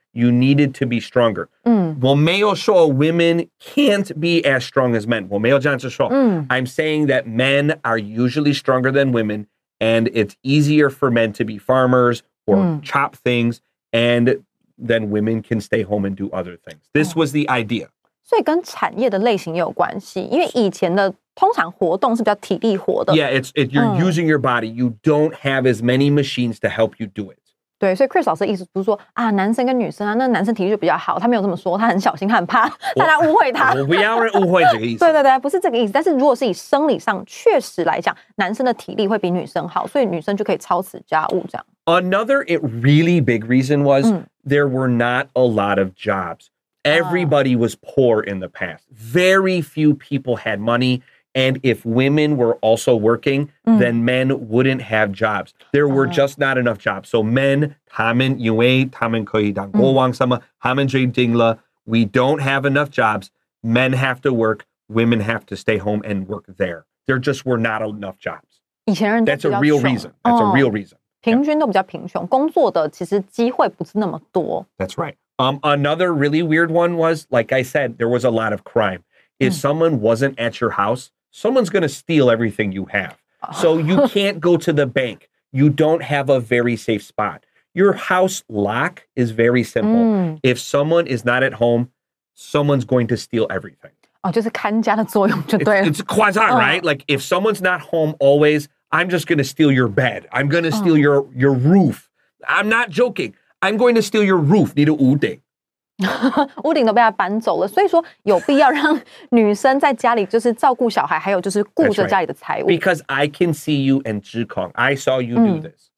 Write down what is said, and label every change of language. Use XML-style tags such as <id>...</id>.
<en>You needed to be stronger. Well,</en> <zh>没有说</zh> <en>women can't be as strong as men. Well,</en> <zh>没有这样子说。</zh> <en>I'm saying that men are usually stronger than women, and it's easier for men to be farmers or chop things, and then women can stay home and do other things. This was the idea.</en> <zh>所以跟产业的类型也有关系，因为以前的通常活动是比较体力活的。</zh> <en>Yeah, you're using your body. You don't have as many machines to help you do it.</en> <zh>对，所以 Chris 老师的意思不是说啊，男生跟女生啊，那男生体力就比较好，他没有这么说，他很小心，他很怕大家误会他。我不要误会这个意思。对对对，不是这个意思。但是如果是以生理上确实来讲，男生的体力会比女生好，所以女生就可以操持家务这样。</zh> <en>Another really big reason was there were not a lot of jobs. Everybody was poor in the past. Very few people had money. And if women were also working, then men wouldn't have jobs. There were just not enough jobs. So men,</en> <zh>他们因为他们可以当国王什么，他们决定了</zh> <en>we don't have enough jobs. Men have to work. Women have to stay home and work there. There just were not enough jobs.</en> <zh>以前人都比较穷。</zh> <en>That's a real reason.</en> <zh>平均都比较贫穷，工作的其实机会不是那么多。</zh> <en>That's right. Another really weird one was, like I said, there was a lot of crime. If someone wasn't at your house, someone's going to steal everything you have. So you can't go to the bank. You don't have a very safe spot. Your house lock is very simple. If someone is not at home, someone's going to steal everything.</en> <zh>Oh, 就是看家的作用就对了。</zh> <en>It's quite right, right? Like, if someone's not home always, I'm just going to steal your bed. I'm going to steal your roof. I'm not joking. I'm going to steal your roof.</en> <zh>你的屋顶。屋顶都被他搬走了，所以说有必要让女生在家里就是照顾小孩，还有就是顾着家里的财务。</zh> <en>Because I can see you and 志康 I saw you do this.</en>